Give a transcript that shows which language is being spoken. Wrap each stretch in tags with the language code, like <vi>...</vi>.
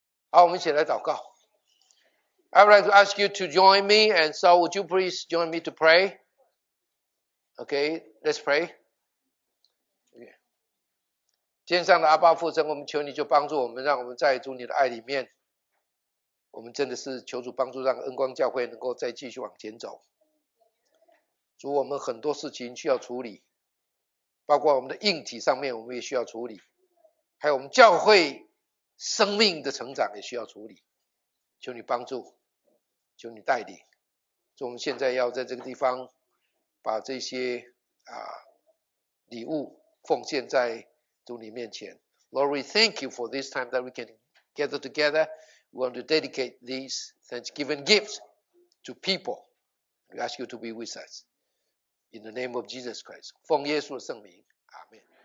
<en>I would like to ask you to join me, and so would you please join me to pray? Okay, let's pray.</en> <zh>天上的阿爸父神，我们求你就帮助我们，让我们在主你的爱里面。我们真的是求主帮助，让恩光教会能够再继续往前走。主，我们很多事情需要处理，包括我们的硬体上面，我们也需要处理，还有我们教会生命的成长也需要处理，求你帮助，求你带领。我们现在要在这个地方把这些礼物奉献在主你面前。</zh> <en>Lord, we thank you for this time that we can gather together. We want to dedicate these thanksgiving gifts to people. We ask you to be with us. In the name of Jesus Christ, 奉耶稣的圣名， 阿门。</en>